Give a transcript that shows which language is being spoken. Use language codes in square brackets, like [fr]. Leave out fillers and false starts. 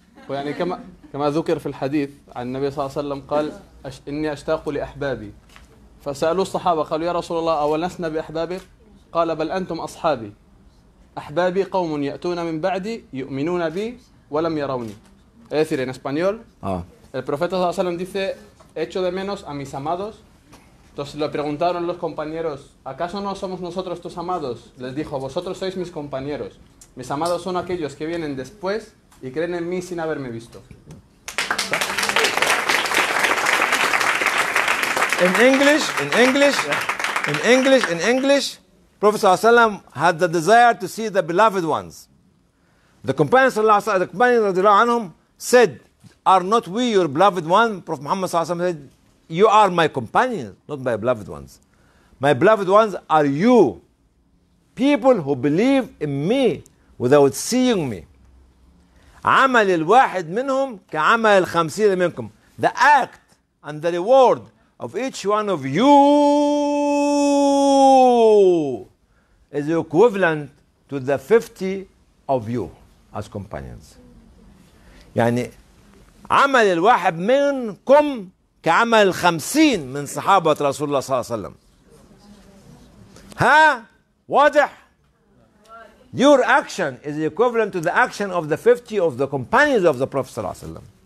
[ar] ويعني كما ذكر في الحديث عن النبي صلى الله عليه وسلم قال إني أشتاق لأحبابي. فسألوا الصحابة قالوا يا رسول الله أولسنا بأحبابك؟ قال بل أنتم أصحابي، أحبابي قوم يأتون من بعدي يؤمنون بي ولم يروني. [es] Es decir, en español, el profeta Salam dice, echo de menos a mis amados. Entonces le preguntaron los compañeros, ¿acaso no somos nosotros tus amados? Les dijo, vosotros sois mis compañeros. Mis amados son aquellos que vienen después y creen en mí sin haberme visto. [en] In English, Prophet Salam had the desire to see the beloved ones. The companions of the Anhum said, are not we your beloved one? Prophet Muhammad Sallallahu Alaihi Wasallam said, you are my companions, not my beloved ones. My beloved ones are you, people who believe in me without seeing me. [ar] عمل الواحد منهم كعمل الخمسين منكم. [en] The act and the reward of each one of you is equivalent to the 50 of you as companions. [ar] يعني عمل الواحد منكم كعمل الخمسين من صحابة رسول الله صلى الله عليه وسلم. ها واضح. [en] Your action is equivalent to the action of the 50 of the companions of the Prophet صلى الله عليه وسلم.